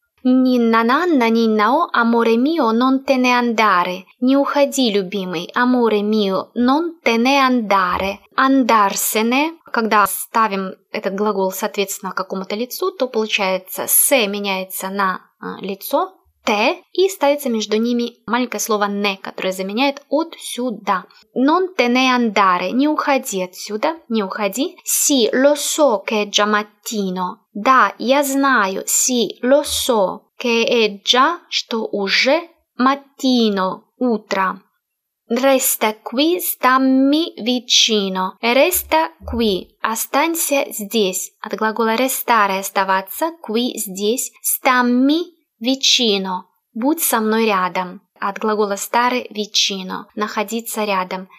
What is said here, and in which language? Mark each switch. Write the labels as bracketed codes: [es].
[it] «Нинна нанна ниннао, аморе мио, нон те не андаре» [ru] – «Не уходи, любимый, [it] аморе мио, нон те не андаре» [ru] – «Андарсене» – когда ставим этот глагол, соответственно, какому-то лицу, то получается «се» меняется на «лицо», «те» и ставится между ними маленькое слово «не», которое заменяет «отсюда». [it] «Non te ne andare» [ru] – «не уходи отсюда», «не уходи». [it] «Si, lo so che è già mattino» [ru] – «да, я знаю», [it] «si, lo so che è già» [ru] – «что уже mattino» – «утро». [it] «Resta qui, stammi vicino» – «resta qui» [ru] – «останься здесь» – от глагола [it] «restare» [ru] – «оставаться», «qui» – «здесь», «stammi» – «Вичино» – «будь со мной рядом», от глагола «стары» – «вичино» – «находиться рядом».